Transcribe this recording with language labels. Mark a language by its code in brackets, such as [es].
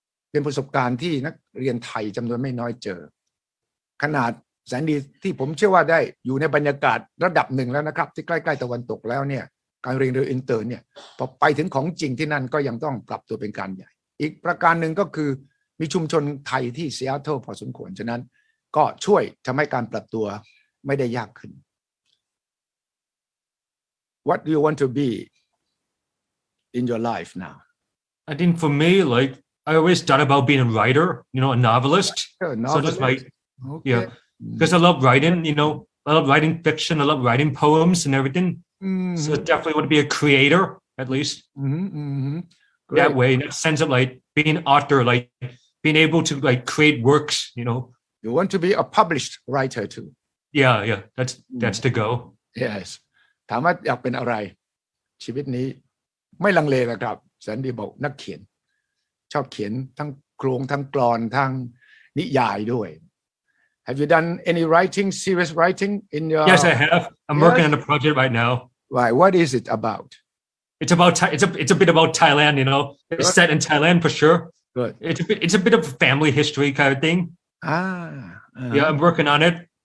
[th] เป็นประสบการณ์ที่นักเรียนไทยจำนวนไม่น้อยเจอขนาดแสนดีที่ผมเชื่อว่าได้อยู่ในบรรยากาศระดับหนึ่งแล้วนะครับที่ใกล้ๆตะวันตกแล้วเนี่ยการเรียนเรืออินเตอร์เนี่ยพอไปถึงของจริงที่นั่นก็ยังต้องปรับตัวเป็นการใหญ่อีกประการหนึ่งก็คือมีชุมชนไทยที่ซีแอตเทิลพอสมควรฉะนั้นก็ช่วยทำให้การปรับตัวไม่ได้ยากขึ้น [en] What do you want to be in your life now I think for me, like, I always thought about being a writer, you know, a novelist. So that's my, yeah, because I love writing, you know, I love writing fiction, I love writing poems and everything. Mm-hmm. So I definitely want to be a creator, at least. Mm-hmm. That way, in a sense of like being an author, like being able to like create works, you know. You want to be a published writer too. Yeah, yeah, that's the goal. Yes. [th] ถามว่าอยากเป็นอะไรชีวิตนี้ไม่ลังเลนะครับแสนดีบอกนักเขียนชอบเขียนทั้งโครงทั้งกลอนทั้งนิยายด้วย [en] Have you done any writing, serious writing in your? Yes, I have. I'm working on a project right now. Why? What is it about? It's about it's a bit about Thailand. You know, it's set in Thailand for sure. Good. It's a bit of family history kind of thing. Yeah, I'm working on it.